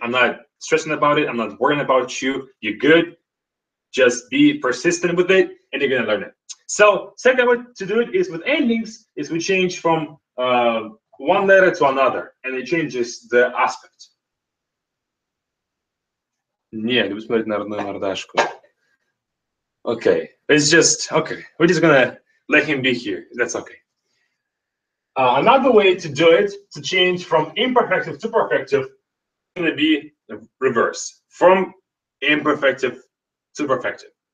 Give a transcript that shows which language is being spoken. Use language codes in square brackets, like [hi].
[en] I'm not stressing about it. I'm not worrying about you. You're good. Just be persistent with it, and you're going to learn it. So second way to do it is with endings, is we change from... one letter to another, and it changes the aspect. [ru] Не, люблю смотреть на родную мордашку. [en] Okay, we're just gonna let him be here, that's okay. Another way to do it, to change from imperfective to perfective, is gonna be reverse, from imperfective to perfective.